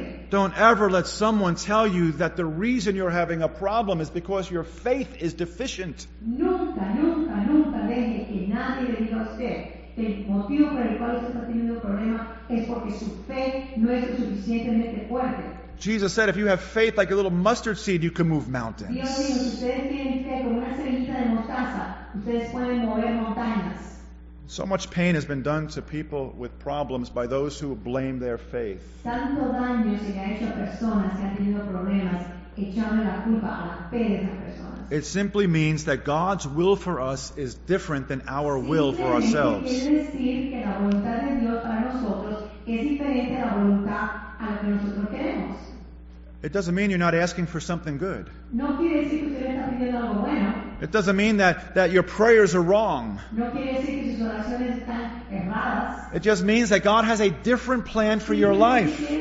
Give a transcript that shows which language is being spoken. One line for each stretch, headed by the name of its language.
English: Don't ever let someone tell you that the reason you're having a problem is because your faith is deficient.
Spanish: Nunca, nunca, nunca deje que nadie le diga a usted que el motivo por el cual usted está teniendo un problema es porque su fe no es lo suficientemente fuerte.
English: Jesus said, if you have faith like a little mustard seed, you can move mountains.
Spanish: Dios dijo, si ustedes tienen fe como una semilla de mostaza, ustedes pueden mover montañas.
English: So much pain has been done to people with problems by those who blame their faith.
Spanish: Tanto daño se ha hecho a personas que han tenido problemas echando la culpa a la fe de esas personas.
English: It simply means that God's will for us is different than our will for ourselves.
Spanish: Es decir, que la voluntad de Dios para nosotros es diferente a la voluntad a lo que nosotros queremos.
English: It doesn't mean you're not asking for something good.
Spanish: No quiere decir que usted está pidiendo algo bueno.
English: It doesn't mean that your prayers are wrong.
Spanish: No quiere decir que sus oraciones están erradas.
English: It just means that God has a different plan for your life.